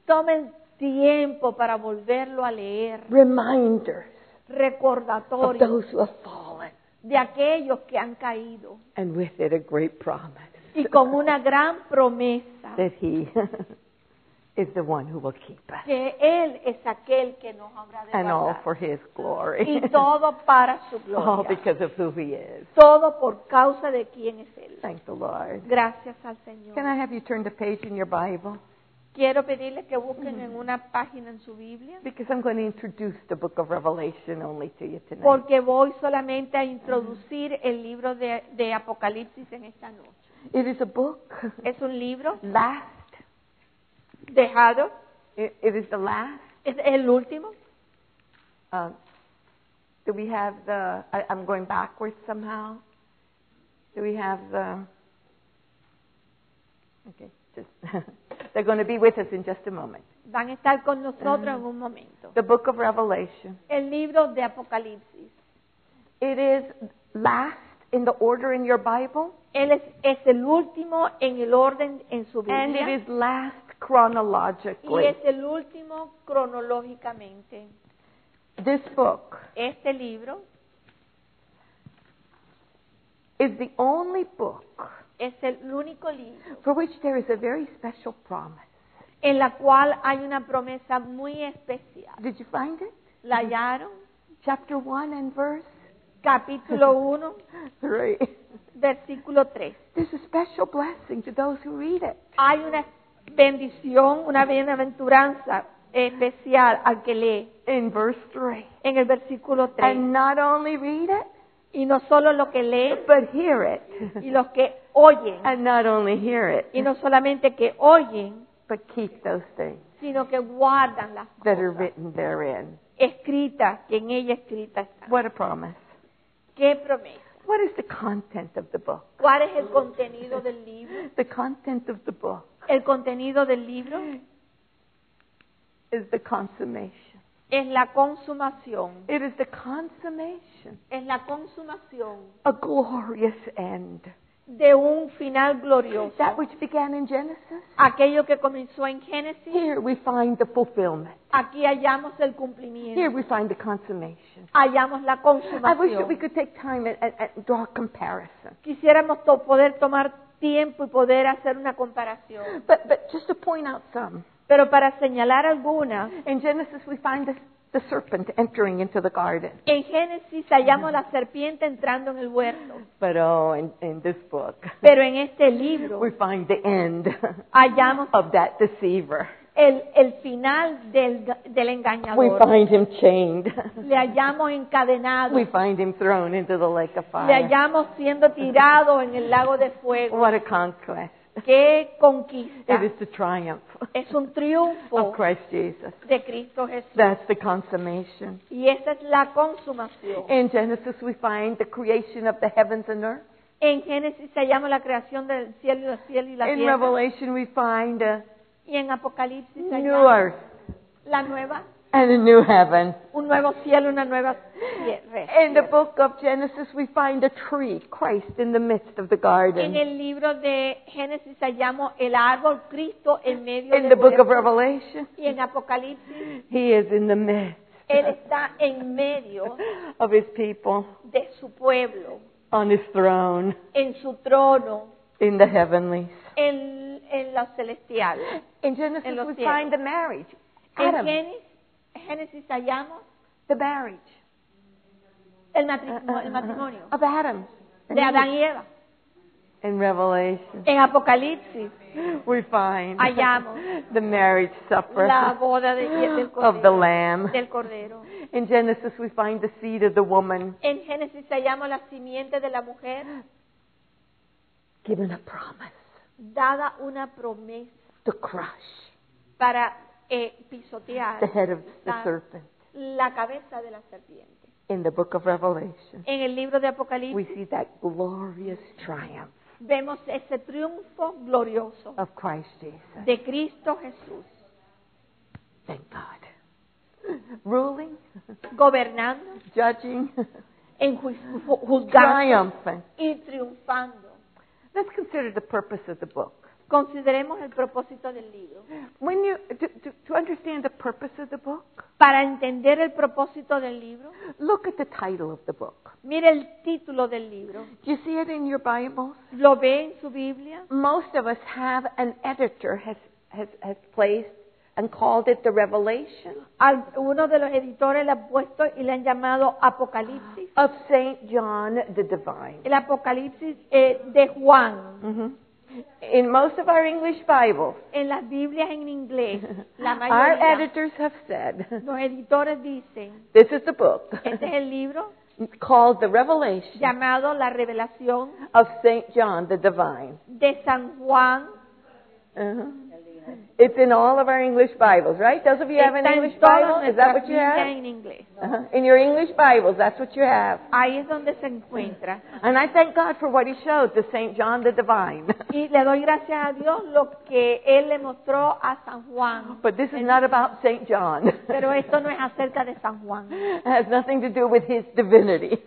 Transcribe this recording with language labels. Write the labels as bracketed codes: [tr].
[es] Tomen tiempo para volverlo a leer. [en] Reminders. [es] Recordatorios. [en] Of those who have fallen. [es] De aquellos que han caído. [en] And with it a great promise. [es] Y con una gran promesa. [en] That He is the one who will keep us. [es] Que Él es aquel que nos habrá de guardar. [en] And all for His glory. [es] Y todo para su gloria. [en] All because of who He is. [es] Todo por causa de quién es Él. [en] Thank the Lord. [es] Gracias al Señor. [en] Can I have you turn the page in your Bible? [es] Quiero pedirle que busquen en una página en su Biblia. [en] Because I'm going to introduce the book of Revelation only to you tonight. [es] Porque voy solamente a introducir el libro de Apocalipsis en esta noche. [en] It is a book. [es] Es un libro. [en] Last. [es] Dejado. [en] It is the last. [es] Es el último. [en] Do we have the? I'm going backwards somehow. Do we have the? Okay, just they're going to be with us in just a moment. [es] Van a estar con nosotros en un momento. [en] The book of Revelation. [es] El libro de Apocalipsis. [en] It is last in the order in your Bible. [es] Él es el último en el orden en su Biblia. [en] And it is last. Chronologically. [es] Y es el último cronológicamente. [en] This book. [es] Este libro. [en] Is the only book. [es] Es el único libro. [en] For which there is a very special promise. [es] En la cual hay una promesa muy especial. [en] Did you find it? [es] ¿La hallaron? [en] Chapter 1 and verse. [es] Capítulo 1. [en] 3. [es] Versículo 3. [en] This is a special blessing to those who read it. [es] Hay una bendición, una bienaventuranza especial al que lee. [en] In verse 3. [es] En el versículo 3. [en] And not only read it, [es] y no solo lo que lee, [en] but hear it. [es] Y los que oyen. [en] And not only hear it, [es] y no solamente que oyen, [en] but keep those things, [es] sino que guardan las cosas [en] that are written therein. [es] Escritas, que en ella escritas están. [en] What a promise. [es] Qué promesa. [en] What is the content of the book? [es] ¿Cuál es el contenido del libro? [en] The content of the book. [es] El contenido del libro [en] is the consummation. [es] Es la consumación. [en] It is the consummation. [es] Es la consumación. [en] A glorious end. [es] De un final glorioso. [en] That which began in Genesis. [es] Aquello que comenzó en Génesis. [en] Here we find the fulfillment. [es] Aquí hallamos el cumplimiento. [en] Here we find the consummation. [es] Hallamos la consumación. [en] I wish that we could take time and draw a comparison. [es] Quisiéramos poder tomar tiempo y poder hacer una comparación. [en] But just to point out some. [es] Pero para señalar algunas. [en] In Genesis we find the the serpent entering into the garden. [es] En Génesis hallamos la serpiente entrando en el huerto. Pero [en] in this book. [es] Pero en este libro. [en] We find the end. [es] Hallamos [en] of that deceiver. [es] El final del engañador. [en] We find him chained. [es] Le hallamos encadenado. [en] We find him thrown into the lake of fire. [es] Le hallamos siendo tirado en el lago de fuego. [en] What a conquest. [es] Qué conquista. [en] It is the triumph. [es] Es un triunfo. [en] Of Christ Jesus. [es] De Cristo Jesús. [en] That's the consummation. [es] Y esa es la consumación. [en] In Genesis we find the creation of the heavens and earth. [es] En Génesis hallamos la creación del cielo y la tierra. [en] In Revelation we find a [es] y en Apocalipsis [en] new earth. [es] La nueva. [en] And a new heaven. [es] Un nuevo cielo, una nueva tierra. [en] In the book of Genesis, we find a tree, Christ, in the midst of the garden. [es] En el libro de Génesis hallamos el árbol Cristo en medio. [en] In the book of Revelation, [es] y en Apocalipsis, [en] he is in the midst. [es] Él está en medio [en] of his people. [es] De su pueblo. [en] On his throne. [es] En su trono. [en] In the heavenlies. [es] En los celestiales. [en] In Genesis, [es] en los [en] we [es] cielos. [en] Find the marriage. Adam. [es] Génesis hallamos [en] the marriage, [es] el matrimonio [en] of Adam, [es] de Adán y Eva. [en] In Revelation, [es] en Apocalipsis, [en] we find [es] hallamos [en] the marriage supper, [es] la boda del cordero, [en] of the Lamb, [es] del cordero. [en] In Genesis, we find the seed of the woman. [es] En Génesis hallamos la simiente de la mujer, [en] given a promise, [es] dada una promesa, [en] to crush, [es] para pisotear, [en] the head of the serpent, [es] la cabeza de la serpiente. [en] In the book of Revelation, [es] en el libro de Apocalipsis, [en] we see that glorious triumph, [es] vemos ese triunfo glorioso, [en] of Christ Jesus, [es] de Cristo Jesús. [en] Thank God. Ruling, [es] gobernando, [en] judging, [es] en juzgando, [en] triumphing, [es] y triunfando. [en] Let's consider the purpose of the book. [es] Consideremos el propósito del libro. [en] When you to understand the purpose of the book, [es] para entender el propósito del libro, [en] look at the title of the book. [es] Mire el título del libro. [en] Do you see it in your Bible? [es] ¿Lo ve en su Biblia? [en] Most of us have an editor has placed and called it the Revelation. [es] Uno de los editores le ha puesto y le han llamado Apocalipsis. [en] Of Saint John the Divine. [es] El Apocalipsis de Juan. [en] Mm-hmm. In most of our English Bibles, [es] en las Biblias en inglés, la mayoría, [en] our editors have said, [es] los editores dicen, [en] this is the book, [es] este es el libro, [en] called the Revelation, [es] llamado la revelación, [en] of Saint John the Divine, [es] de San Juan. Uh-huh. [en] It's in all of our English Bibles, right? Those of you have an English Bible, is that what you have? [es] En inglés. Uh-huh. [en] In your English Bibles, that's what you have. [es] Ahí es donde se encuentra. [en] And I thank God for what he showed to Saint John the Divine. [es] Y le doy gracias a Dios lo que él le mostró a San Juan. [en] But this is not about Saint John. [es] Pero esto no es acerca de San Juan. [en] It has nothing to do with his divinity.